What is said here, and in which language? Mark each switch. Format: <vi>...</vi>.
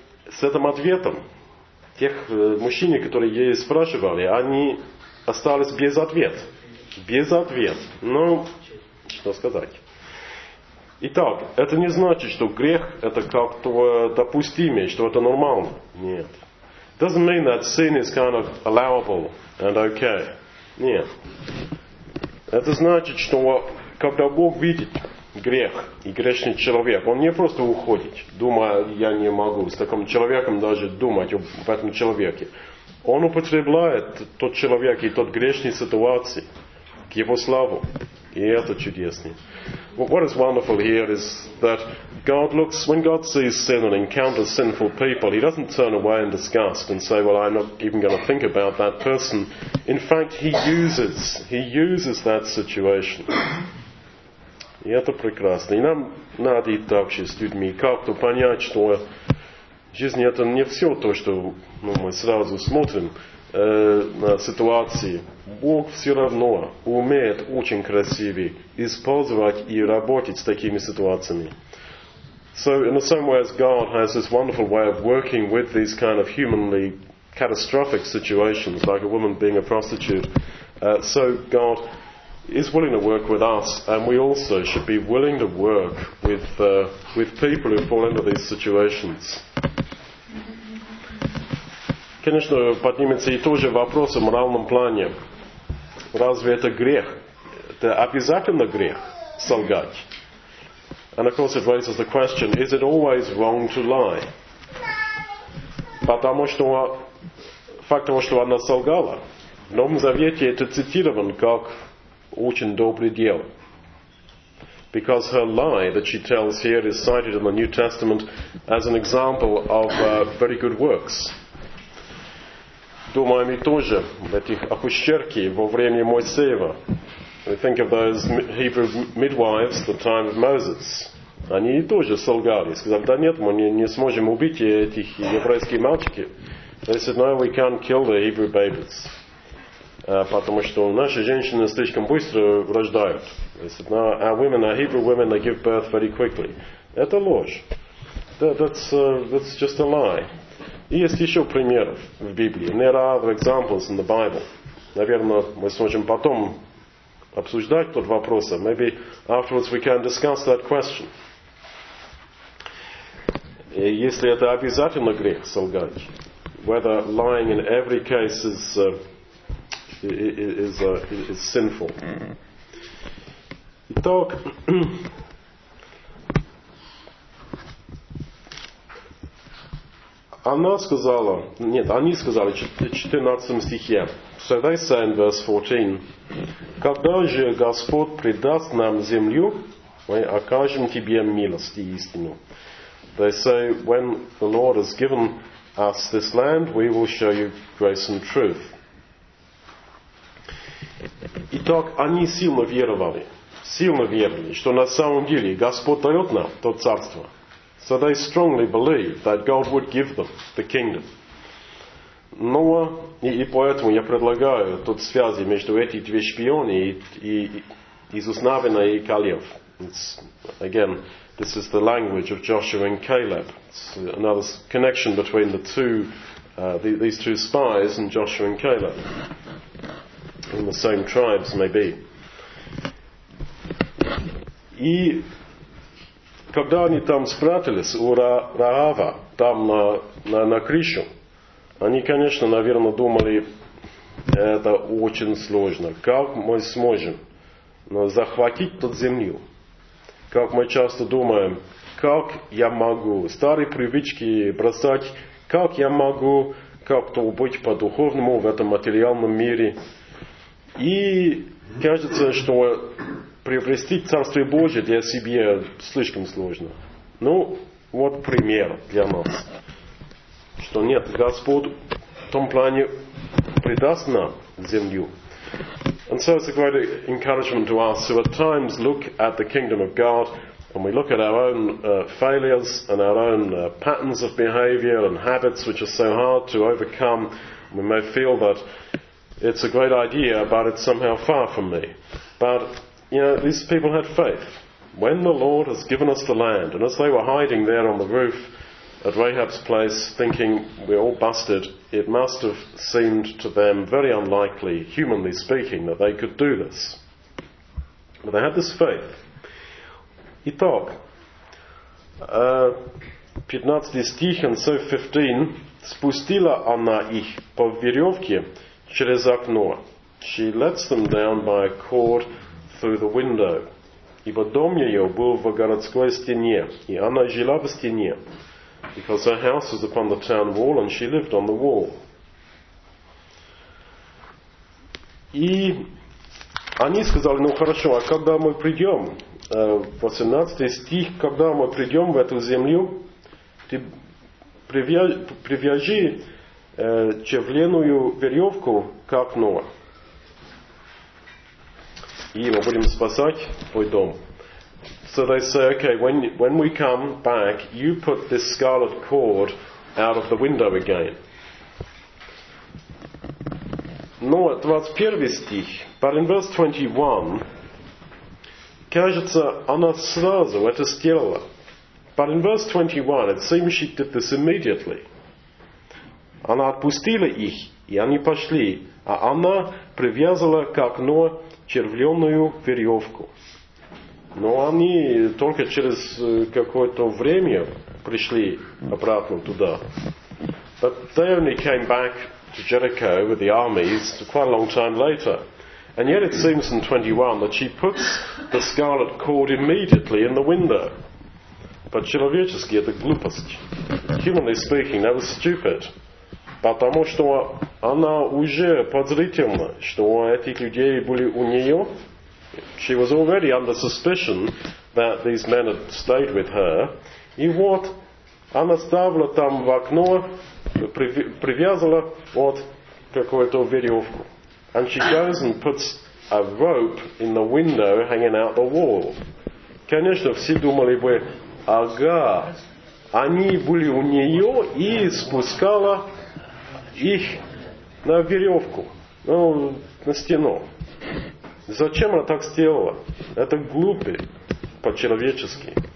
<ru>С этим ответом тех мужчин, которые ей спрашивали, они остались без ответа. Без ответа. Ну, что сказать. Итак, это не значит, что грех это как-то допустимый, что это нормально. Нет.</ru> <en>It doesn't mean that sin is kind of allowable and okay.</en> <ru>Нет. Это значит, что когда Бог видит грех и грешный человек, он не просто уходит, думая, я не могу с таким человеком даже думать об этом человеке. Он употребляет тот человек и тот грешный ситуации к его славу. И это чудесно.</ru> <en>What is wonderful here is that God looks, when God sees sin and encounters sinful people, he doesn't turn away in disgust and say, well, I'm not even going to think about that person. In fact, he uses that situation.</en> <ru>И это прекрасно. И нам надо и так же с людьми как-то понять, что в жизни это не все то, что мы сразу смотрим на ситуации. Бог все равно умеет очень красиво использовать и работать с такими ситуациями.</ru> <en>So in the same way as God has this wonderful way of working with these kind of humanly catastrophic situations, like a woman being a prostitute, so God is willing to work with us, and we also should be willing to work with people who fall into these situations.</en> <ru>Конечно, поднимется и тоже вопрос о моральном плане. Разве это грех? Это обязательно грех солгать?</ru> <en>And of course it raises the question, is it always wrong to lie?</en> <ru>Потому что факт того, что она солгала, в Новом Завете это цитирован как очень доброе дело.</ru> <en>Because her lie that she tells here is cited in the New Testament as an example of very good works.</en> <ru>Думаем и тоже в этих акушерке во время Моисеева.</ru> <en>We think of those Hebrew midwives at the time of Moses.</en> <ru>Они и тоже солгали. Сказали, да нет, мы не сможем убить этих еврейских мальчиков.</ru> <en>They said, no, we can't kill the Hebrew babies.</en> <ru>Потому что наши женщины слишком быстро рождают.</ru> <en>They said, no, our women, our Hebrew women, they give birth very quickly.</en> <ru>Это ложь.</ru> <en>That's just a lie.</en> <ru>И есть еще примеры в Библии.</ru> <en>There are other examples in the Bible.</en> <ru>Наверное, мы сможем потом обсуждать тот вопрос.</ru> <en>Maybe afterwards we can discuss that question.</en> <ru>И если это обязательно грех солгать,</ru> <en>whether lying in every case is sinful.</en> <ru>Итак, она сказала, нет, они сказали в 14 стихе.</ru> <en>So they say in verse 14,</en> <ru>когда же Господь предаст нам землю, мы окажем тебе милость и истину.</ru> <en>They say, when the Lord has given us this land, we will show you grace and truth.</en> <ru>Итак, они сильно веровали. Сильно веровали, что на самом деле Господь дает нам то царство.</ru> <en>So they strongly believed that God would give them the kingdom.</en> <ru>Но и поэтому я предлагаю тут связи между эти две шпионы и Иисус Навина и Калев.</ru> <en>It's, again, this is the language of Joshua and Caleb. It's another connection between these two spies and Joshua and Caleb. In the same tribes, maybe.</en> <ru>И когда они там спрятались у Раава, там на крышу, они, конечно, наверное, думали, это очень сложно. Как мы сможем захватить тот землю? Как мы часто думаем, как я могу старые привычки бросать, как я могу как-то быть по-духовному в этом материальном мире. И кажется, что приобрести Царствие Божие для себя слишком сложно. Ну, вот пример для нас. Что нет, Господь в том плане предаст нам землю.</ru> <en>And so it's a great encouragement to us who at times look at the kingdom of God and we look at our own failures and our own patterns of behavior and habits which are so hard to overcome. We may feel that it's a great idea, but it's somehow far from me. But, you know, these people had faith. When the Lord has given us the land, and as they were hiding there on the roof at Rahab's place, thinking we're all busted, it must have seemed to them very unlikely, humanly speaking, that they could do this. But they had this faith.</en> <ru>Итак, 15 стих,</ru> <en>and so 15,</en> <ru>спустила она их по веревке через окно.</ru> <en>She lets them down by a cord through the window.</en> <ru>Ибо дом ее был в городской стене, и она жила в стене.</ru> <en>Because her house was upon the town wall and she lived on the wall.</en> <ru>И они сказали, ну хорошо, а когда мы придем, 18 стих, когда мы придем в эту землю, ты привяжи чевленую веревку к окну, и мы будем спасать твой дом.</ru> <en>So they say, okay, when we come back, you put this scarlet cord out of the window again.</en> <ru>Но 21 стих.</ru> <en>But in verse 21,</en> <ru>кажется, она сразу это сделала.</ru> <en>But in verse 21, it seems she did this immediately.</en> <ru>Она отпустила их, и они пошли, а она привязала к окну червленую веревку. Но они только через какое-то время пришли обратно туда.</ru> <en>But they only came back to Jericho with the armies quite a long time later. And yet it seems in 21 that she puts the scarlet cord immediately in the window.</en> <ru>По-человечески это глупость.</ru> <en>Humanly speaking, that was stupid.</en> <ru>Потому что она уже подозрительна, что эти людей были у нее.</ru> <en>She was already under suspicion that these men had stayed with her.</en> <ru>И вот она ставила там в окно, привязала вот какую-то веревку.</ru> <en>And she goes and puts a rope in the window hanging out the wall.</en> <ru>Конечно, все думали бы, ага, они были у нее и спускала их на веревку, ну, на стену. Зачем она так сделала? Это глупо, по-человечески.</ru>